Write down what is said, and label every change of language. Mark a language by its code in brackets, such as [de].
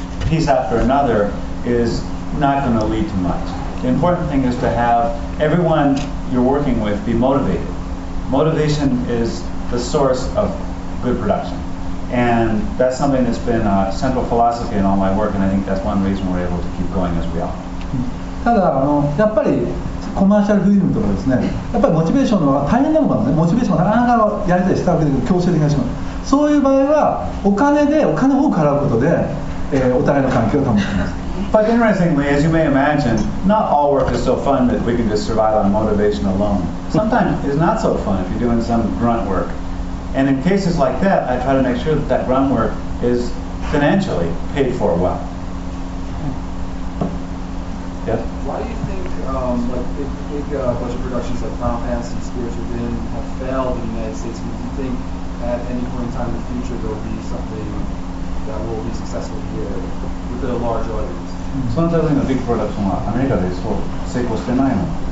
[en] Piece after another is not going to lead to much. The important thing is to have everyone you're working with be motivated. Motivation is the source of good production. And that's something that's been a central philosophy in all my work, and I think that's one reason we're able to keep going as we are. [ja] ただ、やっぱりコマーシャルフィルムとかですね、やっぱりモチベーションのは大変なのかな、ね、モチベーションなかなかやりたいしたわけで強制的にしまう。そういう場合はお金で、お金を払うことで、お互いの関係を保ちます。 [en] But interestingly, as you may imagine, not all work is so fun that we can just survive on motivation alone. Sometimes it's not so fun if you're doing some grunt work. And in cases like that, I try to make sure that that grunt work is financially paid for well. Yes? Why do you think budget productions like Final Fantasy and Spirits Within have failed in the United States? Do you think at any point in time in the future there will be something [ja] その度のビッグプロダクションはアメリカでそう成功してないの。